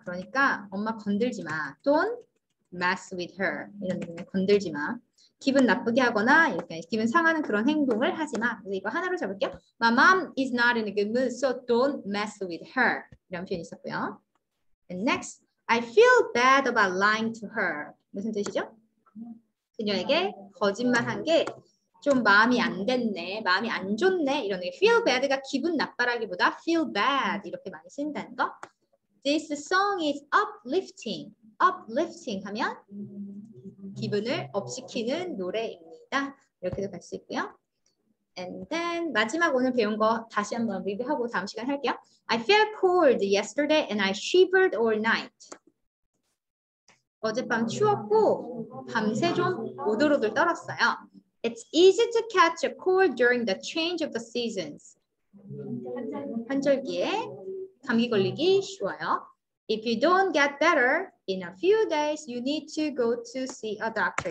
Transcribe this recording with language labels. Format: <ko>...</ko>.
<ko>그러니까 엄마 건들지 마.</ko> <en>Don't mess with her.</en> <ko>이런 느낌의 건들지 마. 기분 나쁘게 하거나 이렇게 기분 상하는 그런 행동을 하지 마. 그래서 이거 하나로 잡을게요.</ko> <en>My mom is not in a good mood, so don't mess with her.</en> <ko>이런 표현이 있었고요.</ko> <en>And next, I feel bad about lying to her.</en> <ko>무슨 뜻이죠? 그녀에게 거짓말한 게 좀 마음이 안 됐네, 마음이 안 좋네. 이런 게 feel bad가 기분 나빠라기보다 feel bad 이렇게 많이 쓴다는 거.</ko> <en>This song is uplifting.</en> <ko>Uplifting 하면 기분을 업시키는 노래입니다. 이렇게도 갈 수 있고요.</ko> <en>And then</en> <ko>마지막 오늘 배운 거 다시 한번 리뷰하고 다음 시간 할게요.</ko> <en>I felt cold yesterday and I shivered all night.</en> <ko>어젯밤 추웠고 밤새 좀 오돌오돌 떨었어요.</ko> <en>It's easy to catch a cold during the change of the seasons.</en> <ko>환절기에 감기 걸리기 쉬워요.</ko> <en>If you don't get better in a few days, you need to go to see a doctor.</en>